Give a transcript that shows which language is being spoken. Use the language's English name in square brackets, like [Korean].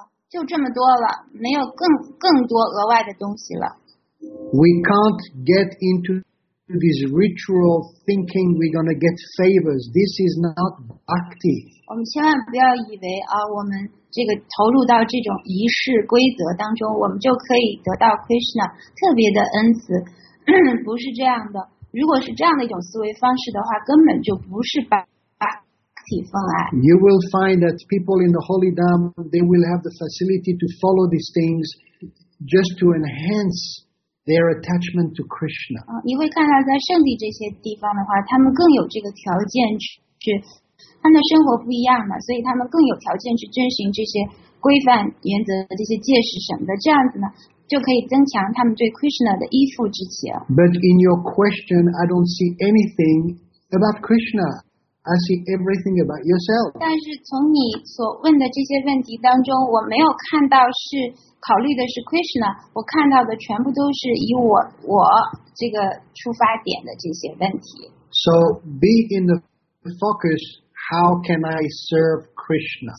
[Chinese] 就这么多了，没有更多额外的东西了。 [English] We can't get into this ritual thinking we're going to get favors. This is not bhakti. [Chinese] 我们千万不要以为啊，我们这个投入到这种仪式规则当中，我们就可以得到 Krishna 特别的恩赐，不是这样的。如果是这样的一种思维方式的话，根本就不是bhakti方案。 [English] You will find that people in the holy dharma, they will have the facility to follow these things just to enhance their attachment to Krishna. [Chinese] 你会看到在圣地这些地方的话，他们更有这个条件去，他们的生活不一样嘛，所以他们更有条件去遵循这些规范原则，这些戒食什么的，这样子呢就可以增强他们对 Krishna 的依附之情。 [English] But in your question, I don't see anything about Krishna. I see everything about yourself. [Chinese] 但是从你所问的这些问题当中，我没有看到是考虑的是 Krishna， 我看到的全部都是以我这个出发点的这些问题。 [English] So be in the focus. How can I serve Krishna?